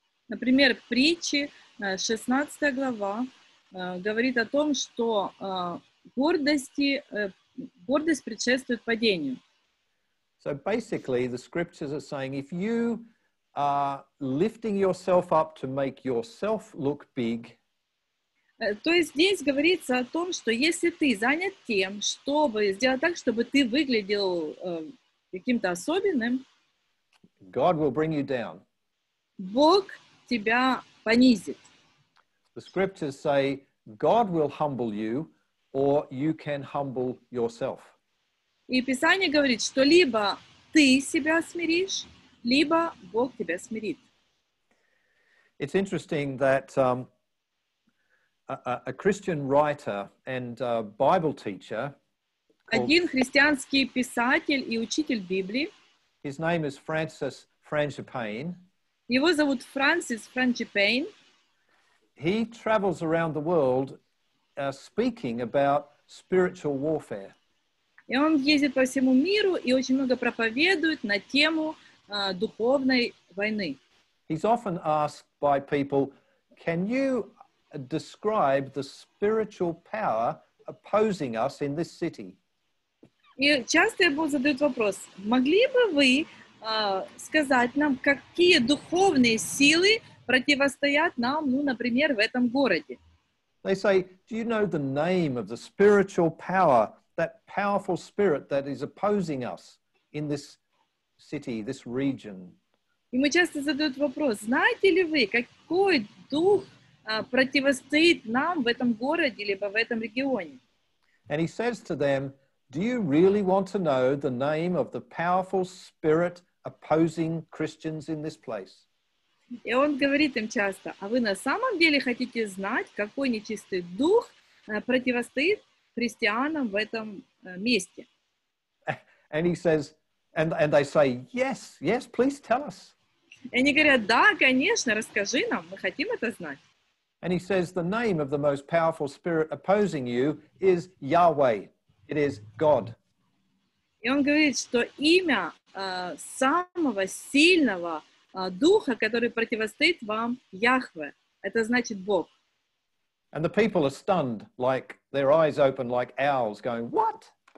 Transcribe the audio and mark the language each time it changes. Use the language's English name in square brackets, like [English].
[Russian] Например, притчи, 16 глава, говорит о том, что гордость предшествует падению. [English] So basically, the scriptures are saying, if you are lifting yourself up to make yourself look big, [Russian] то есть здесь говорится о том, что если ты занят тем, чтобы сделать так, чтобы ты выглядел каким-то особенным, [English] God will bring you down. [Russian] Бог тебя понизит. [English] The scriptures say God will humble you, or you can humble yourself. [Russian] И Писание говорит, что либо ты себя смиришь, либо Бог тебя смирит. [English] It's interesting that a Christian writer and Bible teacher. [Russian] Один христианский писатель и учитель Библии. [English] His name is Francis Frangipane. [Russian] Его зовут Francis Frangipane. [English] He travels around the world speaking about spiritual warfare. [Russian] И он ездит по всему миру и очень много проповедует на тему духовной войны. [English] He's often asked by people, "Can you describe the spiritual power opposing us in this city?" [Russian] И часто ему задают вопрос: "Могли бы вы сказать нам, какие духовные силы противостоят нам, ну, например, в этом городе?" [English] They say, "Do you know the name of the spiritual power, that powerful spirit that is opposing us in this city, this region?" [Russian] И мы часто задают вопрос: "Знаете ли вы, какой дух противостоит нам в этом городе либо в этом регионе?" [English] And he says to them, "Do you really want to know the name of the powerful spirit opposing Christians in this place?" [Russian] И он говорит им часто: "А вы на самом деле хотите знать, какой нечистый дух противостоит христианам в этом месте?" [English] And he says, and they say, "Yes, yes, please tell us." [Russian] И они говорят: "Да, конечно, расскажи нам, мы хотим это знать." [English] And he says, "The name of the most powerful spirit opposing you is Yahweh. It is God." [Russian] И он говорит, что имя самого сильного духа, который противостоит вам, Яхве. Это значит Бог. [English] And the people are stunned, like their eyes open like owls, going, "What?"